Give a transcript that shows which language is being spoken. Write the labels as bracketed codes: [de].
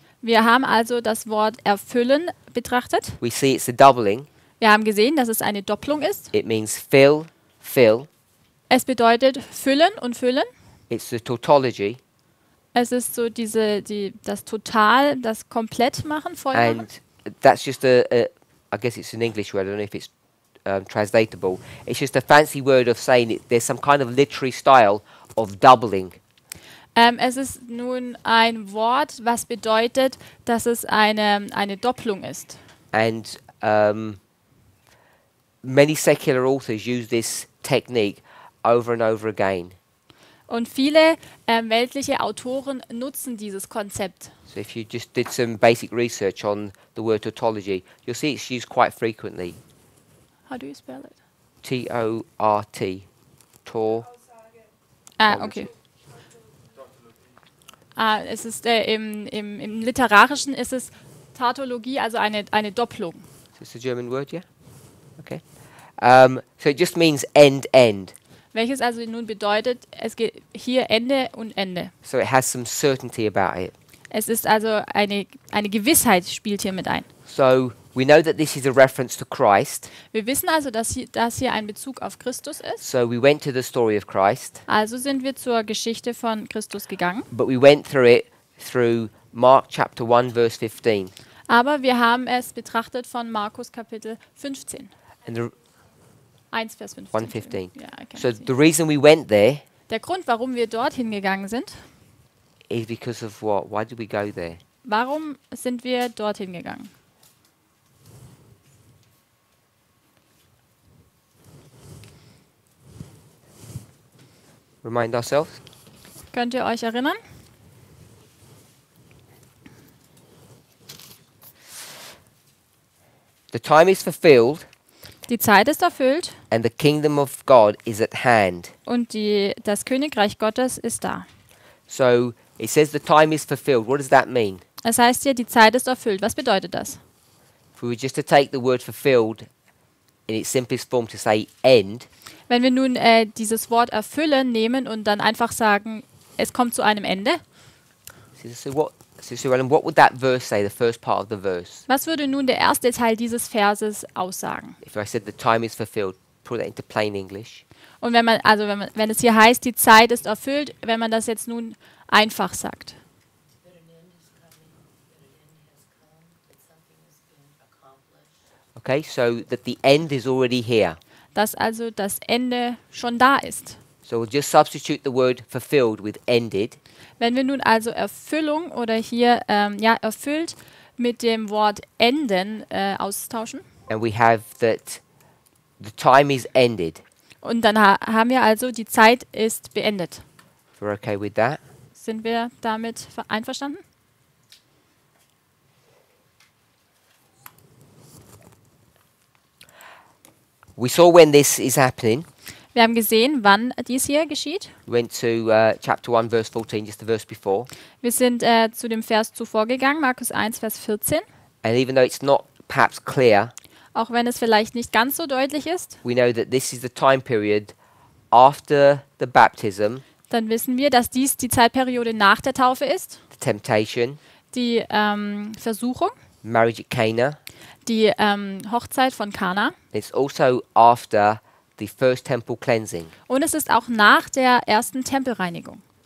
[de] Wir haben also das Wort erfüllen betrachtet. [en] We see it's a doubling. [de] Wir haben gesehen, dass es eine Doppelung ist. [en] It means fill, fill. [de] Es bedeutet füllen und füllen. [en] It's the tautology. [de] Es ist so diese das Total, das Komplett machen, vollmachen. [en] And that's just I guess it's an English word. I don't know if it's translatable. It's just a fancy word of saying it. There's some kind of literary style of doubling. [de] Es ist nun ein Wort, was bedeutet, dass es eine Doppelung ist. [en] And many secular authors use this technique over and over again. [de] Und viele weltliche Autoren nutzen dieses Konzept. [en] So if you just did some basic research on the word tautology, you'll see it's used quite frequently. How do you spell it? T-O-R-T. Tor. Ah, okay. [de] Ah, es ist im Literarischen ist es Tautologie, also eine Doppelung. [en] So it's a German word, yeah? Okay. So it just means end. [de] Welches also nun bedeutet, es geht hier Ende und Ende. [en] So it has some certainty about it. [de] Es ist also eine Gewissheit spielt hier mit ein. [en] So we know that this is a reference to Christ. [de] Wir wissen also, dass das hier ein Bezug auf Christus ist. [en] So we went to the story of Christ. [de] Also sind wir zur Geschichte von Christus gegangen. [en] But we went through it through Mark chapter 1 verse 15. [de] Aber wir haben es betrachtet von Markus Kapitel 15. [en] And the [de] 1 Vers 15. [en] 1:15. Yeah, so the reason we went there. [de] Der Grund, warum wir dorthin gegangen sind, [en] is because of what? Why did we go there? [de] Warum sind wir dorthin gegangen? [en] Remind ourselves. [de] Könnt ihr euch erinnern? [en] The time is fulfilled. [de] Die Zeit ist erfüllt. [en] And the kingdom of God is at hand. [de] Und das Königreich Gottes ist da. [en] So it says the time is fulfilled. What does that mean? [de] Es heißt hier, die Zeit ist erfüllt. Was bedeutet das? [en] If we were just to take the word fulfilled in its simplest form to say end. [de] Wenn wir nun dieses Wort erfüllen nehmen und dann einfach sagen, es kommt zu einem Ende. [en] What would that verse say, the first part of the verse? [de] Was würde nun der erste Teil dieses Verses aussagen? [en] If I said the time is fulfilled, put that into plain English. [de] Und wenn es hier heißt, die Zeit ist erfüllt, wenn man das jetzt nun einfach sagt. [en] Okay, so that the end is already here. [de] Dass also das Ende schon da ist. [en] So we'll just substitute the word fulfilled with ended. [de] Wenn wir nun also Erfüllung oder hier erfüllt mit dem Wort enden austauschen. [en] And we have that the time is ended. [de] Und dann haben wir also die Zeit ist beendet. [en] We're okay with that? [de] Sind wir damit einverstanden? [en] We saw when this is happening. [de] Wir haben gesehen, wann dies hier geschieht. [en] Went to chapter 1 verse 14, just the verse before. [de] Wir sind zu dem Vers zuvor gegangen, Markus 1 Vers 14. [en] And even though it's not perhaps clear. [de] Auch wenn es vielleicht nicht ganz so deutlich ist. [en] We know that this is the time period after the baptism. [de] Dann wissen wir, dass dies die Zeitperiode nach der Taufe ist. [en] The temptation. [de] Die Versuchung. [en] Marriage at Cana. [de] Die Hochzeit von Kana. [en] It's also after the first temple cleansing. [de] Und es ist auch nach der ersten Tempelreinigung.